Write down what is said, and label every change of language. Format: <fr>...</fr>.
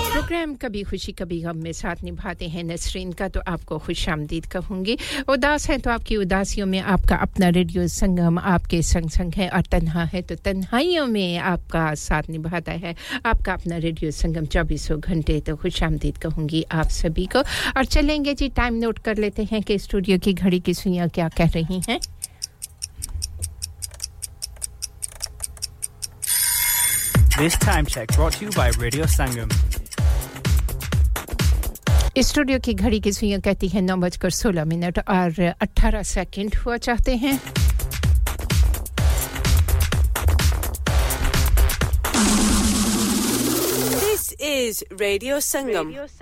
<ur>Programme کبھی خوشی کبھی غم میں ساتھ نبھاتے ہیں نسرین کا تو آپ کو خوش آمدید کہوں گی اداس ہیں تو آپ کی اداسیوں میں آپ کا اپنا ریڈیو سنگم آپ کے سنگ سنگ ہے اور تنہا ہے تو تنہائیوں میں آپ کا ساتھ نبھاتا ہے آپ کا اپنا ریڈیو سنگم چوبیسوں گھنٹے تو خوش آمدید کہوں گی آپ سبھی کو اور چلیں گے جی ٹائم نوٹ کر لیتے ہیں کہ اسٹوڈیو کی گھڑی کی سوئیاں کیا کہہ رہی ہیں</ur> <en>This time check brought to you by Radio Sangam.</en> <ur>Studio کی گھڑی کی سوئیاں کہتی ہیں 9:16 اور 18 سیکنڈ ہوا چاہتے ہیں</ur> <en>This is Radio Sangam.</en>